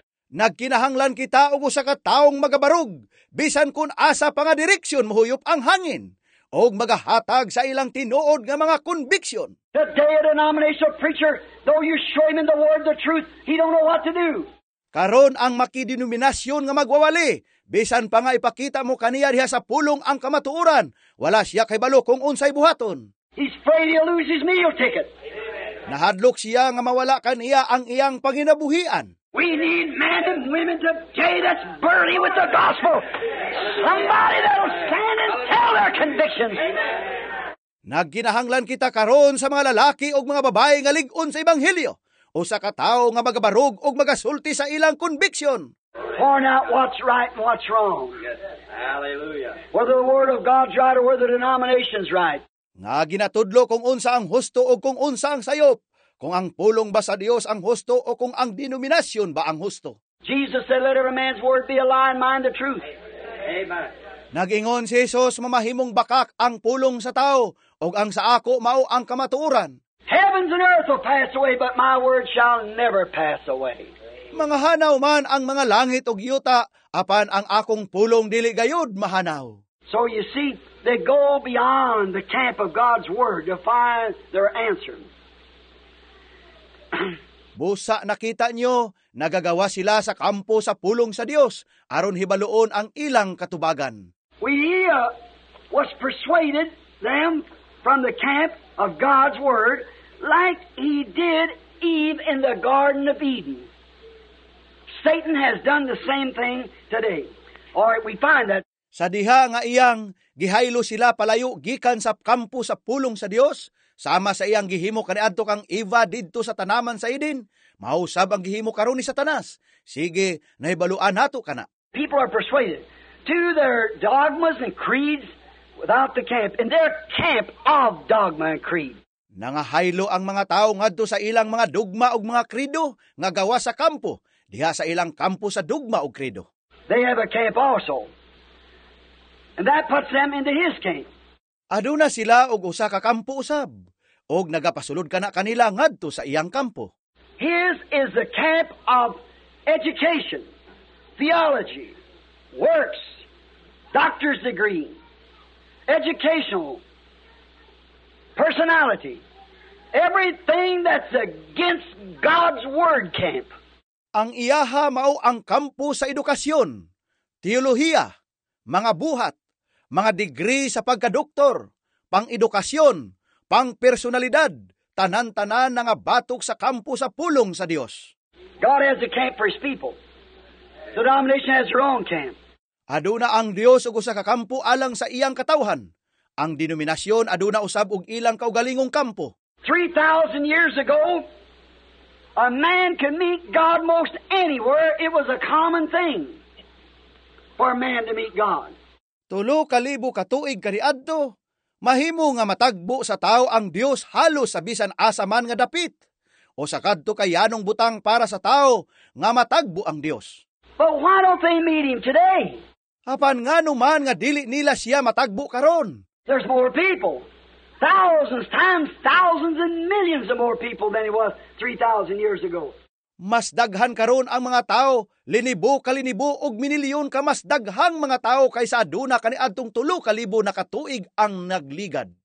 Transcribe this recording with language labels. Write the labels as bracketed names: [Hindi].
[Cebuano] Nagkinahanglan kita og usa ka taong magabarug bisan kun asa pa nga direksyon mohuyop ang hangin og magahatag sa ilang tinuod nga mga conviction. [English] The day of denominational preacher, though you show him in the word the truth, he don't know what to do. [Cebuano] Karon ang makidenominasyon nga magwawali, bisan pa nga ipakita mo kaniya diha sa pulong ang kamatuoran, wala siya kay balo kung unsay buhaton. [English] He's afraid he'll lose his meal ticket. [Cebuano] Nahadlok siya nga mawala kaniya ang iyang panginabuhian. [English] We need men and women today that's burning with the gospel. Somebody that'll stand and tell their convictions. [Cebuano] Nagginahanglan kita karon sa mga lalaki o mga babae nga ligon sa ebanghelyo o sa katao nga magabarug o magasulti sa ilang conviction. [English] Point out what's right and what's wrong. Hallelujah. Whether the word of God's right or whether the denomination's right. [Cebuano] Nga ginatudlo kung unsa ang husto o kung unsa ang sayop. Kung ang pulong ba sa Dios ang husto o kung ang denominasyon ba ang husto. [English] Jesus said, let every man's word be a lie and mine the truth. Amen. [Cebuano] Nagingon si Jesus, mamahimong bakak ang pulong sa tao, o ang sa ako mao ang kamatuoran. [English] Heavens and earth will pass away, but my word shall never pass away. [Cebuano] Mga hanaw man ang mga langit o yuta, apan ang akong pulong dili gayud mahanaw. [English] So you see, they go beyond the camp of God's word to find their answer. [Cebuano] Busa nakita nyo, nagagawa sila sa kampo sa pulong sa Dios aron hibaloon ang ilang katubagan. [English] We was persuaded them from the camp of God's word like he did Eve in the Garden of Eden. Satan has done the same thing today. Or we find that [Cebuano] sa diha nga iyang gihaylo sila palayo gikan sa kampo sa pulong sa Dios. Sama sa iyang gihimo kaniadto kang Eva didto sa tanaman sa Eden, mausab ang gihimo karon ni Satanas. Sige, nahibaluan nato kana. [English] People are persuaded to their dogmas and creeds without the camp, in their camp of dogma and creed. [Cebuano] Nangahaylo ang mga tao ngadto sa ilang mga dogma ug mga kredo nga gawa sa kampo, diha sa ilang kampo sa dogma ug kredo. [English] They have a camp also. And that puts them into his camp. [Cebuano] Aduna sila og usa ka kampo usab og nagapasulod kana kanila ngadto sa iyang kampo. [English] His is the camp of education, theology, works, doctor's degree, educational, personality, everything that's against God's word camp. [Cebuano] Ang iyaha mao ang kampo sa edukasyon, teolohiya, mga buhat, mga degree sa pagkadoktor, pang-edukasyon, pang-personalidad, tanan-tanan nga batok sa kampo sa pulong sa Dios. [English] God has a camp for His people. The denomination has their own camp. [Cebuano] Aduna ang Dios ug usa ka kampo alang sa iyang katawhan. Ang denominasyon aduna usab ug ilang kaugalingong kampo. [English] 3,000 years ago, a man could meet God most anywhere. It was a common thing for a man to meet God. [Cebuano] Tulo kalibo ka tuig kariadto, mahimo nga matagbo sa tao ang Dios halos sa bisan asa man nga dapit. O sa kadto kayanong butang para sa tao nga matagbo ang Dios. [English] But why don't they meet Him today? [Cebuano] Apan ngano man nga dili nila siya matagbo karon? [English] There's more people. Thousands, times thousands and millions of more people than it was 3,000 years ago. [Cebuano] Mas daghan karon ang mga tao, linibo kalinibo og minilyon ka mas daghang mga tao kaysa aduna kaniadtong 3,000 nakatuig ang nagligad.